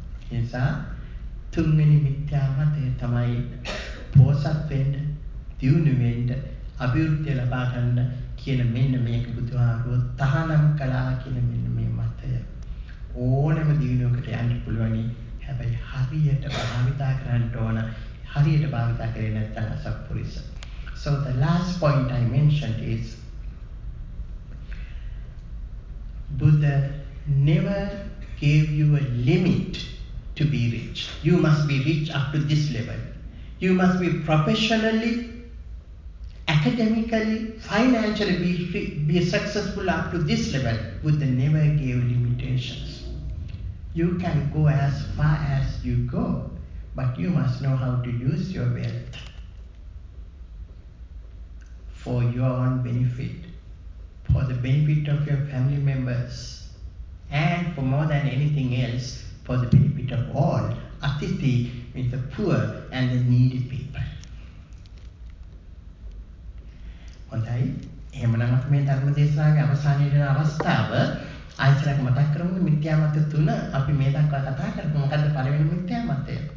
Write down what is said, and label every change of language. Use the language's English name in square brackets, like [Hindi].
[Sinhala] ඒ නිසා තුන්වෙනි මිත්‍යා මතය තමයි පෝසත් වෙන්න, දියුණු වෙන්න, අභිවෘද්ධිය ලබා ගන්න කියන මෙන්න මේක බුදුහාමුදුරුවෝ තහනම් කළා කියන මෙන්න මේ මතය. ඕනම දියුණුවකට යන්න පුළුවනි, හැබැයි හරියට භාවිතා කරන්න ඕන. හරියට භාවිතා කරේ නැත්නම් අසප්පුරිස. [English] So the last point I mentioned is Buddha never gave you a limit to be rich. You must be rich up to this level. You must be professionally, academically, financially be successful up to this level. Buddha never gave limitations. You can go as far as you go, but you must know how to use your wealth for your own benefit, for the benefit of your family members, and for more than anything else, for the benefit of all. Atithi means the poor and the needy people. [Sinhala] හොඳයි, එහෙමනම් අපි මේ ධර්ම දේශනාවේ අවසානයේදී තියෙන අවස්ථාව ආයතනක මතක් කරමු. මිත්‍යා මත තුන අපි මේ දක්වා කතා කරමු. මොකද පළවෙනි මිත්‍යා මතය.